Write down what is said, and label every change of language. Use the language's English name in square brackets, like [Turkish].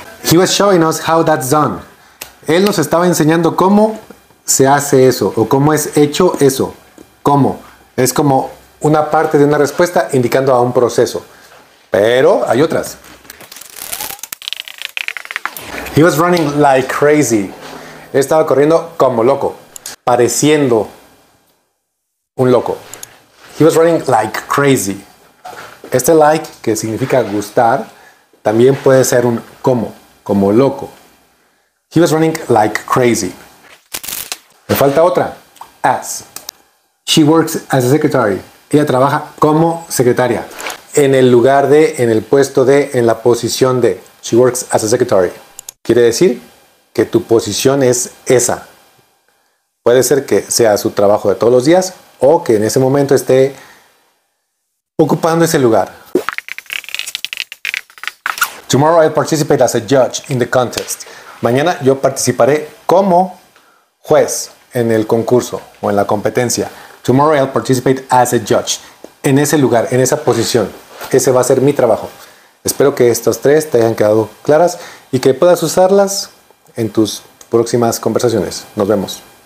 [English] He was showing us how that's done. [Spanish] Él nos estaba enseñando cómo se hace eso o cómo es hecho eso. ¿Cómo? Es como una parte de una respuesta indicando a un proceso. Pero hay otras. [English] He was running like crazy. [Spanish] Él estaba corriendo como loco. Pareciendo un loco. [English] He was running like crazy. [Spanish] Este like, que significa gustar, también puede ser un como, como loco. [English] He was running like crazy. [Spanish] Me falta otra. [English] As. She works as a secretary. [Spanish] Ella trabaja como secretaria. En el lugar de, en el puesto de, en la posición de. [English] She works as a secretary. [Spanish] Quiere decir que tu posición es esa. Puede ser que sea su trabajo de todos los días o que en ese momento esté ocupando ese lugar. [English] Tomorrow I'll participate as a judge in the contest. [Spanish] Mañana yo participaré como juez en el concurso o en la competencia. [English] Tomorrow I'll participate as a judge. [Spanish] En ese lugar, en esa posición. Ese va a ser mi trabajo. Espero que estas tres te hayan quedado claras y que puedas usarlas en tus próximas conversaciones. Nos vemos.